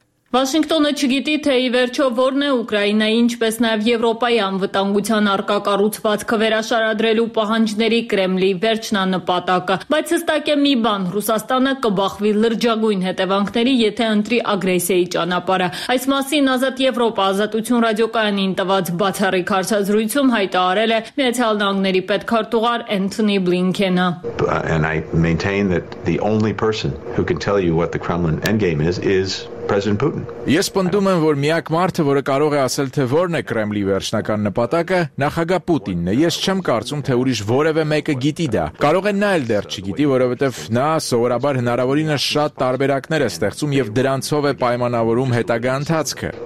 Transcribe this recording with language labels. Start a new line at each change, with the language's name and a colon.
Armenian: Վաշինգտոնը չգիտի, թե ի վերջո որն է Ուկրաինայի, ինչպես նաև Եվրոպայի անվտանգության առկա կառուցվածքը վերաշարադրելու պահանջների Կրեմլի վերջնանպատակը, բայց հստակ է մի բան, Ռուսաստանը կբախվի լրջագույն հետևանքների, եթե ընտրի ագրեսիայի ճանապարհը։ Այս մասին Ազատ Եվրոպա ազատություն ռադիոկայանին տված բացառիկ հարցազրույցում հայտարարել է Միացյալ Նահանգների պետքարտուղար Էնթոնի Բլինքենը։
English: And I maintain that the only person who can tell you what the Kremlin endgame is President Putin.
Armenian: Ես պնդում եմ, որ միակ մարդը, որը կարող է ասել, թե որն է Կրեմլի վերջնական նպատակը, նախագահ Պուտինն է։ Ես չեմ կարծում, թե ուրիշ որևէ մեկը գիտի դա։ Կարող է նա էլ դեռ չգիտի, որովհետև նա սովորաբար հնարավորինս շատ տարբերակներ է ստեղծում և դրանցով է պայմանավորում հետագա ընթացքը։